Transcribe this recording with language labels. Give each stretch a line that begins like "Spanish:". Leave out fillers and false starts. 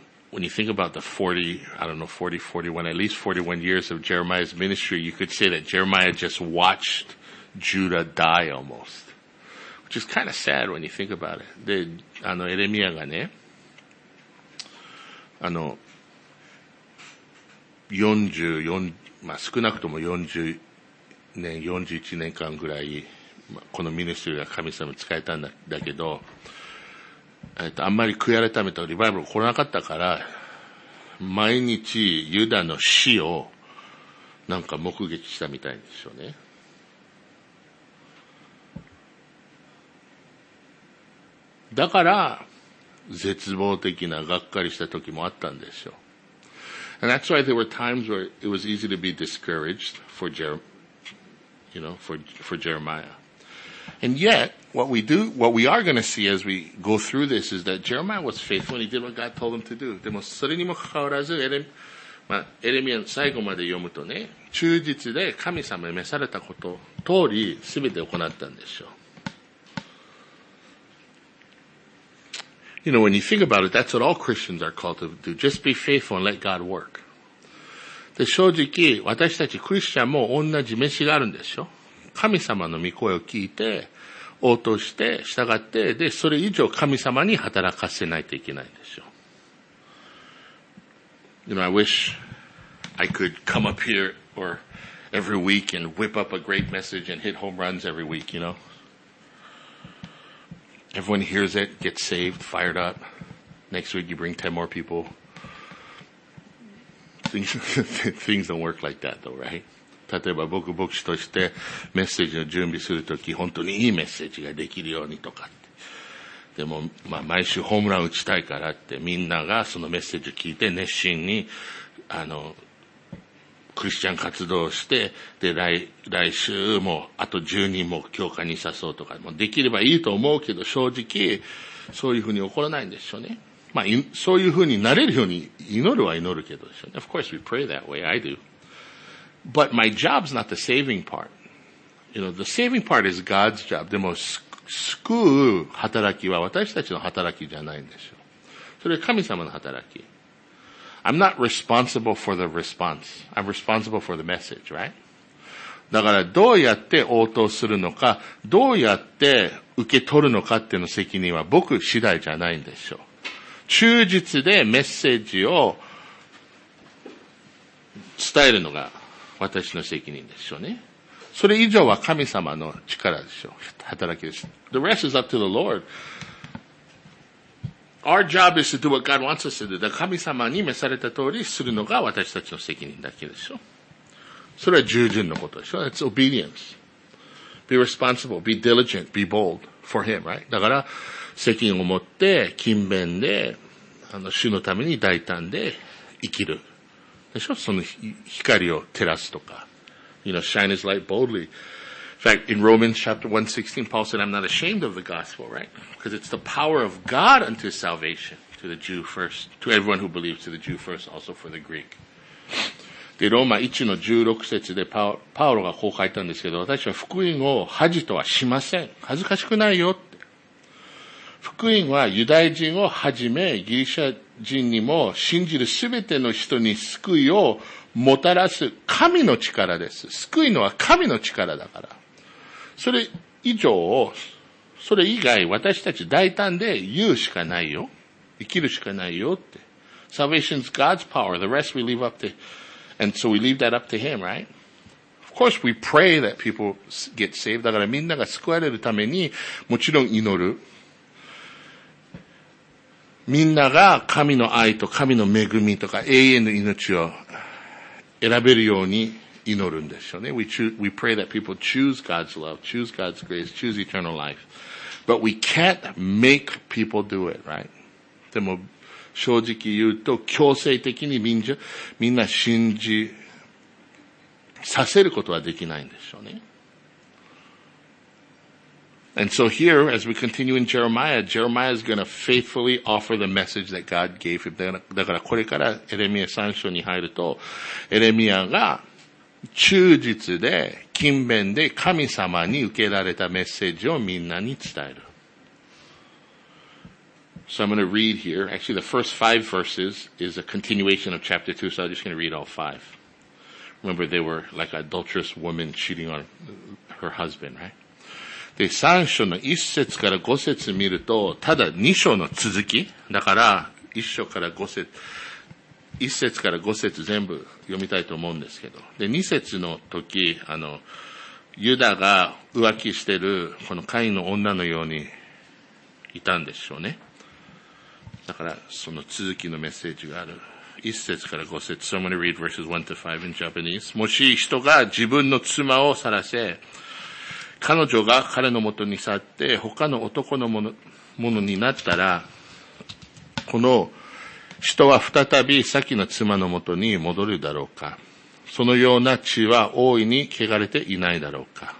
English: When you think about the 41 years of Jeremiah's ministry, you could say that Jeremiah just watched Judah die almost. Which is kind of sad when you think about it.
Japanese: で、エレミアがね、少なくとも40年、41年間ぐらい、このミニストリーが神様に使えたんだけど、あんまり悔い改めたリバイバル来なかったから、毎日ユダの死をなんか目撃したみたいですよね。だから絶望的ながっかりした時もあったんですよ。
English: And that's why there were times where it was easy to be discouraged for Jeremiah. And yet, what we are going to see as we go through this is that Jeremiah was faithful and he did what God told him to do.
Japanese: でもそれにもかかわらず、エレミア最後まで読むとね、忠実で神様に召されたこと通り全て行ったんですよ。
English: You know, when you think about it, that's what all Christians are called to do. Just be faithful and let God work.
Japanese: で、正直、私たちクリスチャンも同じ召しがあるんですよ。神様の御声を聞いて、応答して、従って、で、それ以上神様に働かせないといけないんですよ。
English: You know, I wish I could come up here or every week and whip up a great message and hit home runs every week, you know? Everyone hears it, gets saved, fired up. Next week you bring 10 more people. Things don't work like that though, right?
Japanese: 例えば僕牧師としてメッセージの準備するとき本当にいいメッセージができるようにとかって。でも、まあ毎週ホームラン打ちたいからってみんながそのメッセージを聞いて熱心に、クリスチャン活動をして、で、来週も、あと10人も教会に誘うとか、もできればいいと思うけど、正直、そういうふうに起こらないんでしょうね。まあ、そういうふうになれるように祈るは祈るけどでしょうね。
English: Of course, we pray that way. I do. But my job's not the saving part. You know, the saving part is God's job.
Japanese: でも、救う働きは私たちの働きじゃないんでしょう。それは神様の働き。
English: I'm not responsible for the response. I'm responsible for the message, right?
Japanese: だからどうやって応答するのか、どうやって受け取るのかっていうの責任は僕次第じゃないんでしょう。忠実でメッセージを伝えるのが私の責任でしょうね。それ以上は神様の力でしょう。働きです。
English: The rest is up to the Lord. Our job is to do what God wants us to do.
Japanese: だから神様に召された通りするのが私たちの責任だけでしょ。それは従順のことでしょ。
English: That's obedience. Be responsible, be diligent, be bold for him, right?
Japanese: だから責任を持って勤勉で主のために大胆で生きる。でしょ。その光を照らすとか。
English: You know, shine his light boldly. In fact, in Romans chapter 1:16, Paul said, I'm not ashamed of the gospel, right? Because it's the power of God unto salvation to the Jew first, to everyone who believes, to the Jew first, also for the Greek.
Japanese: で、ローマ 1:16 節でパウロがこう書いたんですけど、私は福音を恥とはしません。恥ずかしくないよって。福音はユダヤ人をはじめ、ギリシャ人にも信じるすべての人に救いをもたらす神の力です。救いのは神の力だから。それ以上を、それ以外私たち大胆で言うしかないよ。生きるしかないよって。
English: Salvation is God's power. The rest we leave up to, and so we leave that up to Him, right? Of course we pray that people get saved.
Japanese: だからみんなが救われるためにもちろん祈る。みんなが神の愛と神の恵みとか永遠の命を選べるように祈るんですよね。
English: We pray that people choose God's love, choose God's grace, choose eternal life. But we can't make people do it, right?
Japanese: でも正直言うと強制的にみんな信じさせることはできないんですよね。
English: And so here, as we continue in Jeremiah, Jeremiah is going to faithfully offer the message that God gave him.
Japanese: だからこれからエレミア3章に入ると、エレミアが忠実で勤勉で神様に受けられたメッセージをみんなに伝える。
English: So I'm going to read here. Actually, the first five verses is a continuation of chapter 2, so I'm just going to read all five. Remember, they were like an adulterous woman cheating on her husband, right?
Japanese: で、3章の1節から5節見ると、ただ2章の続き。だから、1章から5節、1節から5節全部読みたいと思うんですけど。で、2節の時、ユダが浮気してる、このカインの女のようにいたんでしょうね。だから、その続きのメッセージがある。 1節から5節。
English: So I'm going to read verses 1 to 5 in Japanese.
Japanese: もし人が自分の妻を晒せ、彼女が彼のもとに去って他の男のものになったら、この人は再び先の妻のもとに戻るだろうか。そのような血は大いに汚れていないだろうか。